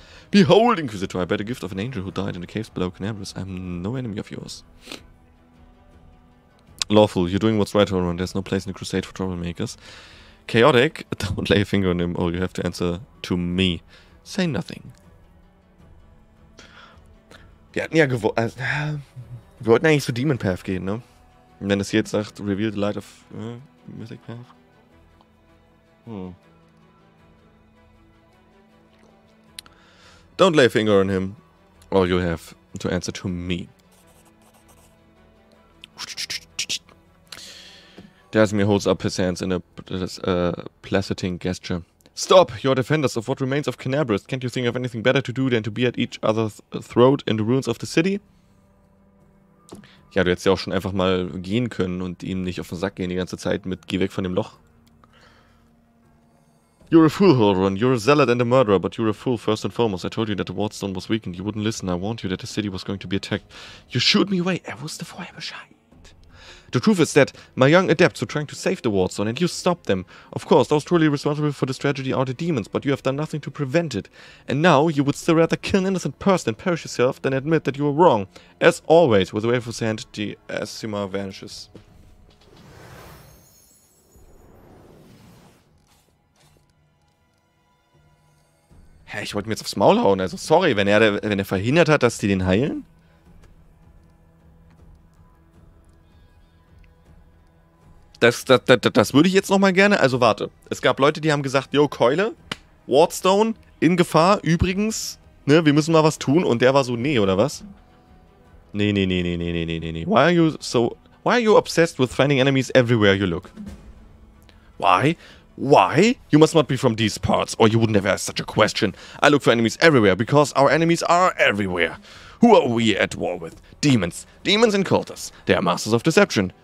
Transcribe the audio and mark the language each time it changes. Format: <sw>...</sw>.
<en>Behold, Inquisitor, I bear the gift of an angel who died in the caves below Canabras. I'm no enemy of yours. Lawful, you're doing what's right, HULRUN. There's no place in the crusade for troublemakers. Chaotic, don't lay a finger on him. Oh, you have to answer to me. Say nothing.</en> <de>Wir hatten ja gewollt. Wir wollten eigentlich zu Demon Path gehen, ne? Wenn es jetzt sagt,</de> <en>reveal the light of Mythic Path. Don't lay a finger on him. All you have to answer to me. Dasmir holds up his hands in a placating gesture. Stop! You're defenders of what remains of Canabras. Can't you think of anything better to do than to be at each other's throat in the ruins of the city?</en> <de>Ja, du hättest ja auch schon einfach mal gehen können und ihm nicht auf den Sack gehen die ganze Zeit mit Geh weg von dem Loch.</de> <en>You're a fool, HULRUN. You're a zealot and a murderer, but you're a fool first and foremost. I told you that the wardstone was weakened. You wouldn't listen. I warned you that the city was going to be attacked. You shoot me away.</en> <de>Er wusste vorher Bescheid.</de> <en>The truth is that my young adepts are trying to save the wardstone and you stopped them. Of course, those truly responsible for this tragedy are the demons, but you have done nothing to prevent it. And now you would still rather kill an innocent person and perish yourself than admit that you were wrong. As always, with a wave of his hand, the Asima vanishes.</en> <de>Hä, ich wollte mir jetzt aufs Maul hauen, also sorry, wenn er verhindert hat, dass die den heilen? Das würde ich jetzt nochmal gerne. Also warte, es gab Leute, die haben gesagt, yo, Keule, Wardstone, in Gefahr, übrigens, ne, wir müssen mal was tun. Und der war so, nee, oder was? Nee.</de> <en>Why are you obsessed with finding enemies everywhere you look? Why? You must not be from these parts, or you would never ask such a question. I look for enemies everywhere, because our enemies are everywhere. Who are we at war with? Demons. Demons and cultists. They are masters of deception.</en>